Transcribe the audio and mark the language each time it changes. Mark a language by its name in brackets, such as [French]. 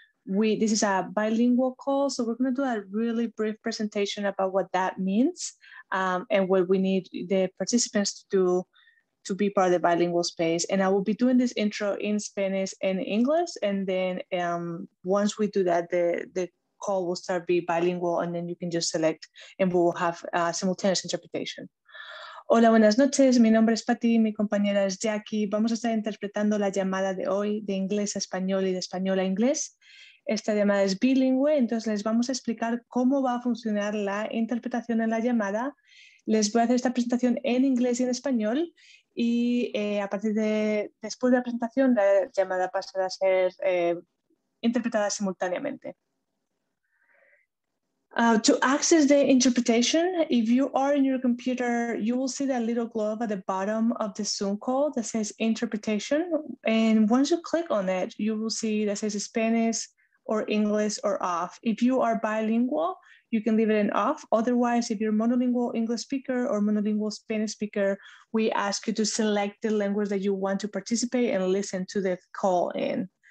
[English] This is a bilingual call, so we're going to do a really brief presentation about what that means and what we need the participants to do to be part of the bilingual space. And I will be doing this intro in Spanish and English. And then once we do that, the call will start be bilingual, and then you can just select and we'll have simultaneous interpretation. [Spanish] Hola, buenas noches. Mi nombre es Patty. Mi compañera es Jackie. Vamos a estar interpretando la llamada de hoy de inglés a español y de español a inglés. Esta llamada es bilingüe, entonces les vamos a explicar cómo va a funcionar la interpretación en la llamada. Les voy a hacer esta presentación en inglés y en español. Y a partir de después de la presentación, la llamada pasará a ser interpretada simultáneamente. [English] To access the interpretation, if you are in your computer, you will see that little globe at the bottom of the Zoom call that says interpretation. And once you click on it, you will see that says Spanish or English or off. If you are bilingual, you can leave it in off. Otherwise, if you're monolingual English speaker or monolingual Spanish speaker, we ask you to select the language that you want to participate and listen to the call in.